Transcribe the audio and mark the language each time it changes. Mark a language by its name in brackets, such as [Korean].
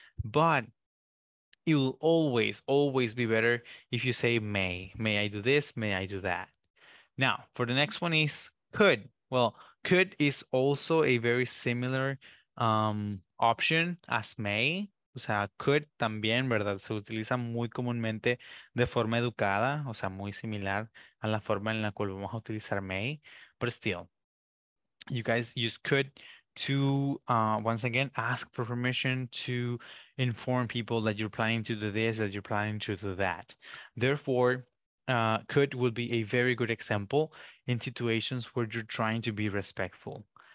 [English] But it will always, always be better if you say may. May I do this? May I do that? Now, for the next one is could. Well, could is also a very similar option as may. [Spanish] O sea, could también, ¿verdad? Se utiliza muy comúnmente de forma educada, o sea, muy similar a la forma en la cual vamos a utilizar may. [English] But still, you guys use could to, once again, ask for permission to inform people that you're planning to do this, that you're planning to do that. Therefore, could would be a very good example in situations where you're trying to be respectful.